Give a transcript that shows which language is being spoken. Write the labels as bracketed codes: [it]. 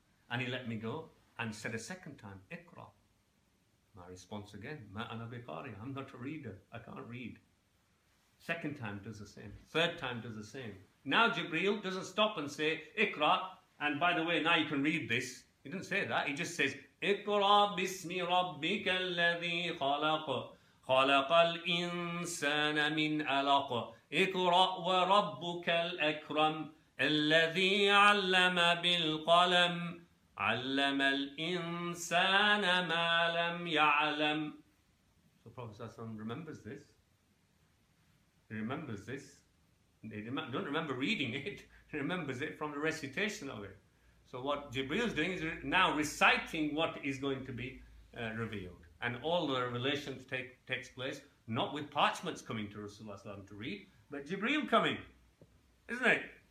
[en] And he let me go and said a second time, Iqra. My response again, [ar] Ma ana biqari, [en] I'm not a reader. I can't read. Second time does the same. Third time does the same. Now Jibreel doesn't stop and say, Iqra, and by the way, now you can read this. He didn't say that. He just says, [ar] اقرأ باسم ربك الذي خلق خلق الإنسان من علق اقرأ وربك الأكرم الذي علم بالقلم علم الإنسان ما لم يعلم. [en] So Prophet ﷺ remembers this. He remembers this. He don't remember reading it. He remembers it from the recitation of it. So what Jibreel is doing is now reciting what is going to be revealed. And all the revelations takes place, not with parchments coming to Rasulullah to read, but Jibreel coming, isn't it?